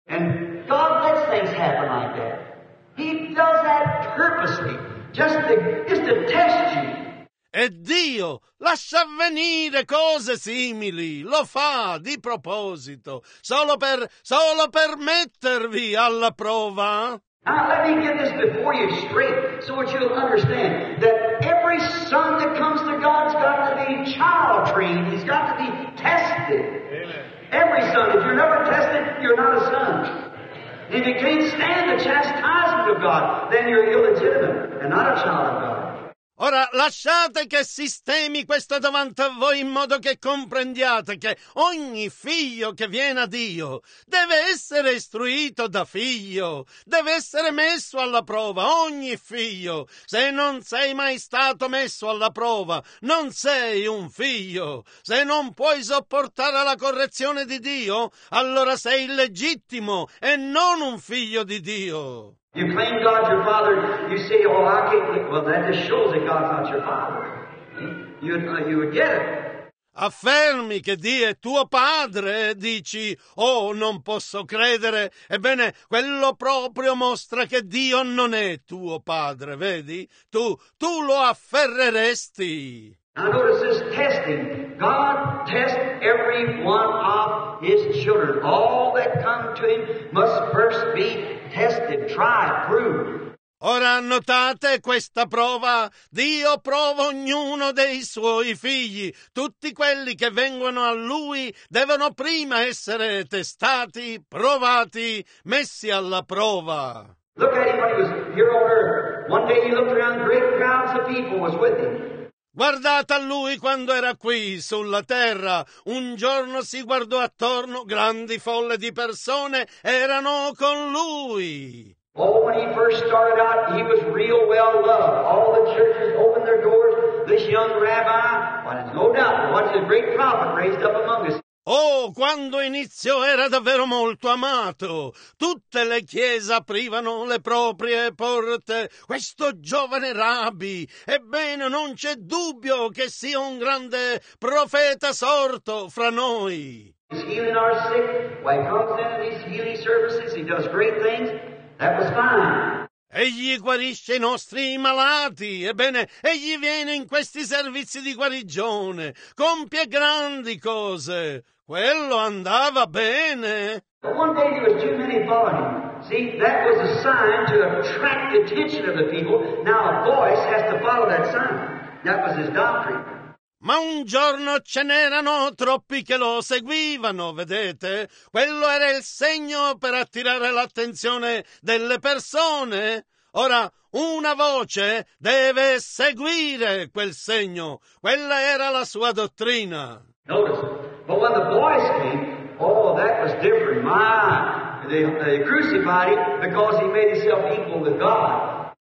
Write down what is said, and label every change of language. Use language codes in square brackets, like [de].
[en] And God lets things happen like that. He does that purposely, just to test you. [it] E Dio lascia avvenire cose simili, lo fa di proposito, solo per mettervi alla prova. [en] Now let me get this before you straight, so that you'll understand that every son that comes to God's got to be child trained. He's got to be tested. Amen. Every son. If you're never tested, you're not a son. If you can't stand the chastisement of God, then you're illegitimate and not a child of God. [it] Ora lasciate che sistemi questo davanti a voi in modo che comprendiate che ogni figlio che viene a Dio deve essere istruito da figlio, deve essere messo alla prova, ogni figlio. Se non sei mai stato messo alla prova, non sei un figlio. Se non puoi sopportare la correzione di Dio, allora sei illegittimo e non un figlio di Dio. [en] You claim God your father, you say, oh, I can't believe. Well, that just shows that God's not your father. You would get it. [it] Affermi che Dio è tuo padre, dici, oh, non posso credere. Ebbene, quello proprio mostra che Dio non è tuo padre, vedi? Tu lo afferreresti. [en] Now notice this testing. God tests every one of his children. All that come to him must first be tested, tried, proved. [it] Ora notate questa prova. Dio prova ognuno dei suoi figli. Tutti quelli che vengono a lui devono prima essere testati, provati, messi alla prova. [en] Look at him when he was here on earth. One day he looked around, great crowds of people was with him. [it] Guardate a lui quando era qui, sulla terra. Un giorno si guardò attorno, grandi folle di persone erano con lui. [en] Oh, when he first started out, he was real well loved. All the churches opened their doors. This young rabbi, well, no doubt, was a great prophet raised up among us. [it] Oh, quando iniziò era davvero molto amato. Tutte le chiese aprivano le proprie porte. Questo giovane rabbi, ebbene, non c'è dubbio che sia un grande profeta sorto fra noi. [en] He's healing our sick. Why comes into these healing services? He does great things. That was fine. [it] Egli guarisce i nostri malati, ebbene, egli viene in questi servizi di guarigione, compie grandi cose, quello andava bene. [en] But one day there was too many volume. See, that was a sign to attract the attention of the people. Now a voice has to follow that sign. That was his doctrine. [it] Ma un giorno ce n'erano troppi che lo seguivano, vedete? Quello era il segno per attirare l'attenzione delle persone. Ora, una voce deve seguire quel segno. Quella era la sua dottrina. [en] Notice, but when the boys came, oh, that was different. They crucified him because he made himself equal with God.